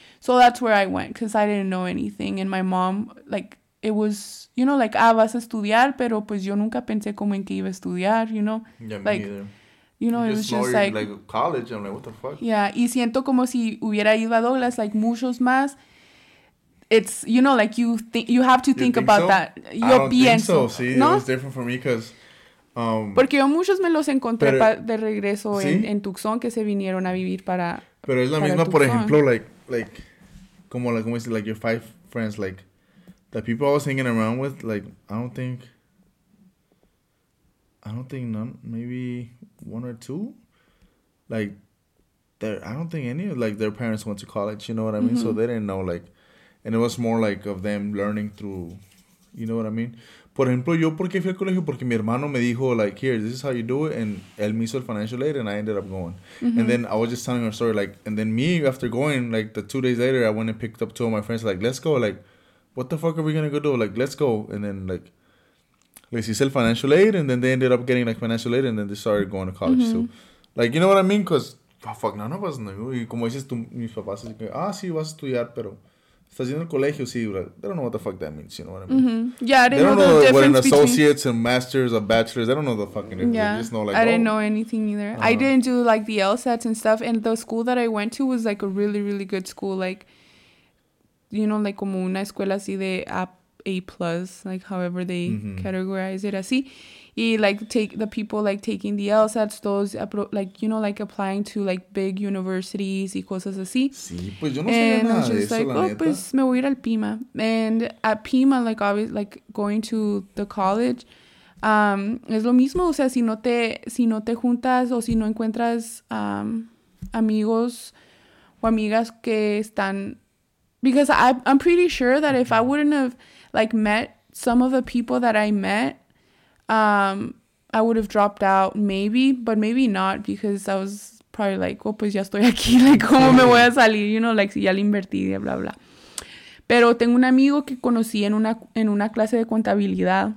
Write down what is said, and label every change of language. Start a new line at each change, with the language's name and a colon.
English: So that's where I went, because I didn't know anything, and my mom, like, it was, you know, like, ah,
Spanish: vas a estudiar, pero pues yo nunca pensé como en que iba a estudiar,
English: you know? Yeah, me like, neither. You know, just it was just like... college, I'm like, what the fuck?
Spanish: Yeah, y siento como si hubiera ido a Douglas, like, muchos más.
English: It's, you know, like, you have to think about that.
Spanish: Yo pienso.
English: I don't think so, see, ¿no? It was different for me, because...
Spanish: Porque yo muchos me los encontré de regreso, ¿sí? en Tucson, que se vinieron a vivir para Pero es la misma, Tucson. Por ejemplo,
English: like, como, like, como dice, like, your 5 friends, like, the people I was hanging around with, like, I don't think none, maybe... 1 or 2, like, they're, I don't think any of, like, their parents went to college, you know what I mean? Mm-hmm. So they didn't know, like, and it was more, like, of them learning through, you know what I mean?
Spanish: Por ejemplo, yo, ¿por qué fui al colegio?
English: Porque mi hermano me dijo, like, here, this is how you do it, and
Spanish: él me hizo el
English: financial aid, and I ended up going. Mm-hmm. And then I was just telling her story, like, and then me, after going, like, the 2 days later, I went and picked up 2 of my friends, like, let's go, like, what the fuck are we gonna go do? Like, let's go, and then, like,
Spanish: les hice el
English: financial aid, and then they ended up getting, like, financial aid, and then they started going to college, too. Mm-hmm. So, like, you know what I mean? Because, oh, fuck, none of us knew.
Spanish: Y como dices tú, mis papás, así que, ah, sí, vas a estudiar, pero estás yendo al colegio, sí, bro.
English: They don't know what the fuck that means, you know what I mean? Mm-hmm. Yeah, I didn't know the difference between... They don't know what an associate's, a master's, a bachelor's, they don't know the fucking difference. Yeah, they just know, like, I didn't know anything either. I didn't do, like, the LSATs and stuff, and the school that I went to was, like, a really, really good school, like, you know, like,
Spanish: como una escuela así de...
English: A+, like, however they mm-hmm. categorize it, así. Y, like, take the people, like, taking the LSATs, those, like, you know, like, applying to, like, big universities
Spanish: y cosas así. Sí, pues yo no sabía nada de eso, la neta.
English: And I was just like, oh,
Spanish: pues me voy a ir al Pima.
English: And at Pima, like, obviously, like, going to the college,
Spanish: es lo mismo. O sea, si no te juntas o si no encuentras amigos o amigas que están...
English: Because I'm pretty sure that mm-hmm. if I wouldn't have... like, met some of the people that I met, I would have dropped out, maybe, but maybe not, because I was probably like, oh,
Spanish: pues ya estoy aquí,
English: like,
Spanish: ¿cómo me voy a salir?
English: You know,
Spanish: like, si ya le invertí, y bla, bla. Pero tengo un amigo que conocí en una clase de contabilidad.